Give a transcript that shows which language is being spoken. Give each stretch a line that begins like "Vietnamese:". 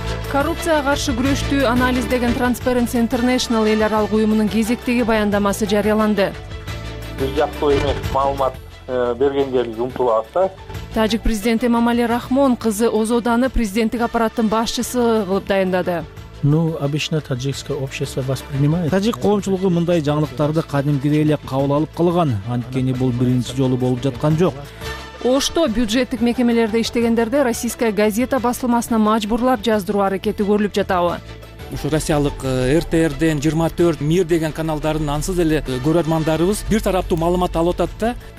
Kyrgyz: Коррупцияга каршы күрөштү анализдеген Transparency International эл аралык уюмунун кезектеги баяндамасы жарыяланды. Бир жактуу эмес маалымат бергендерди умтулабыз. Тажик президенти Мамали Рахмон кызы Озоданы президенттик аппараттын башчысы кылып дайындады.
Russian: Ну, обычно таджикское общество воспринимает.
Kyrgyz: Таджик коомчулугу мындай жаңылыктарды кадимкидей эле кабыл алып калган, анткени бул биринчи жолу болуп жаткан жок. Ошто бюджеттик мекемелерде иштегендерде Российская газета басылмасына мажбурлап жаздыруу аракети көрүлүп жатабы? Ушу Россиялык РТРДН 24 Мир деген каналдардын ансыз эле көрөрмандарыбыз бир тараптуу маалымат алып атат да.